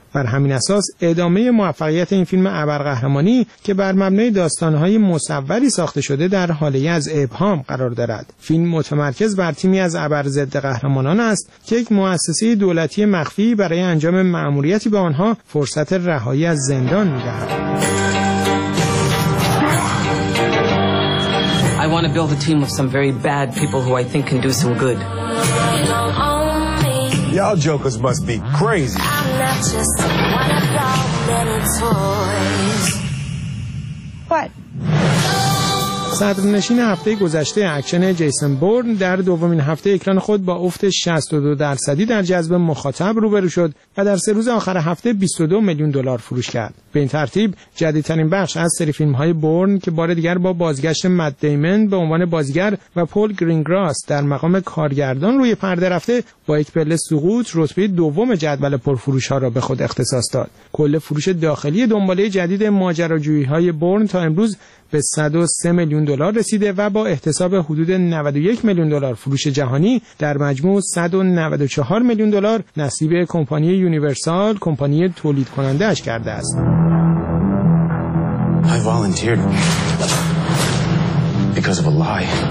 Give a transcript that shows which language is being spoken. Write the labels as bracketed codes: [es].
[fa] بر همین اساس ادامه موفقیت این فیلم ابرقهرمانی که بر مبنای داستان‌های مصوری ساخته شده در حاله از ابهام قرار دارد. فیلم متمرکز بر تیمی از ابر ضد قهرمانان است که یک مؤسسه دولتی مخفی برای انجام مأموریتی به آنها فرصت رهایی از زندان می‌دهد. [en] I want to build a team of some very bad people who I think can do some good. Y'all jokers must be crazy. I'm not just one of y'all little toys. What? [fa] صدرنشین هفته گذشته اکشن جیسون بورن در دومین هفته اکران خود با افت 62% در جذب مخاطب روبرو شد و در سه روز آخر هفته 22 میلیون دلار فروش کرد. به این ترتیب جدیدترین بخش از سری فیلم‌های بورن که بار دیگر با بازگشت مت دیمن به عنوان بازیگر و پول گرینگراس در مقام کارگردان روی پرده رفته با یک پله سقوط رتبه دوم جدول پرفروش‌ها را به خود اختصاص داد. کل فروش داخلی دنباله جدید ماجراجویی‌های بورن تا امروز به 103 میلیون دلار رسیده و با احتساب حدود 91 میلیون دلار فروش جهانی در مجموع 194 میلیون دلار نصیب کمپانی یونیورسال، کمپانی تولید کننده اش کرده است. [en] I volunteered because of a lie.